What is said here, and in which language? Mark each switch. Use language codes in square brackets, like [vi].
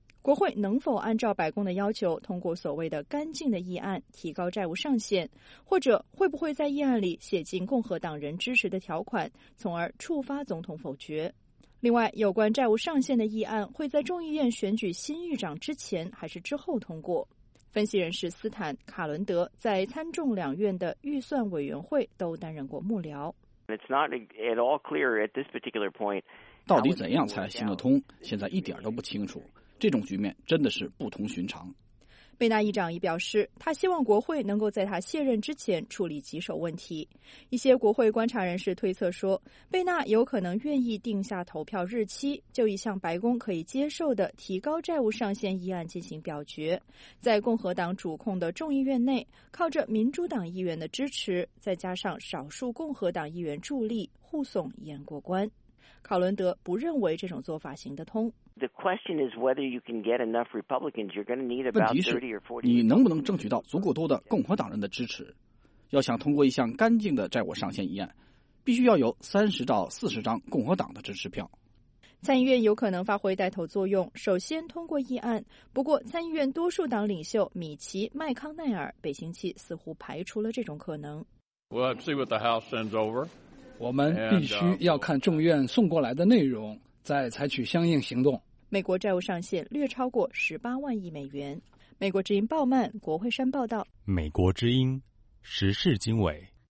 [zh] 国会能否按照白宫的要求通过所谓的干净的议案提高债务上限，或者会不会在议案里写进共和党人支持的条款，从而触发总统否决？另外，有关债务上限的议案会在众议院选举新议长之前还是之后通过？分析人士斯坦·卡伦德在参众两院的预算委员会都担任过幕僚。 [en] It's not at all clear at this particular point. [zh] 到底怎样才行得通？现在一点都不清楚。这种局面真的是不同寻常。贝纳议长也表示，他希望国会能够在他卸任之前处理棘手问题。一些国会观察人士推测说，贝纳有可能愿意定下投票日期，就一项白宫可以接受的提高债务上限议案进行表决，在共和党主控的众议院内，靠着民主党议员的支持，再加上少数共和党议员助力护送议案过关。考伦德不认为这种做法行得通。 [en] The question is whether you can get enough Republicans. You're going to need about 30 or 40. [zh] 你能不能争取到足够多的共和党人的支持？要想通过一项干净的债务上限议案，必须要有30到40张共和党的支持票。参议院有可能发挥带头作用，首先通过议案。不过，参议院多数党领袖米奇·麦康奈尔本星期似乎排除了这种可能。 [en] We'll have to see what the House sends over. [zh] 我们必须要看众议院送过来的内容，再采取相应行动。美国债务上限略超过18万亿美元。美国之音鲍曼国会山报道。美国之音时事经纬。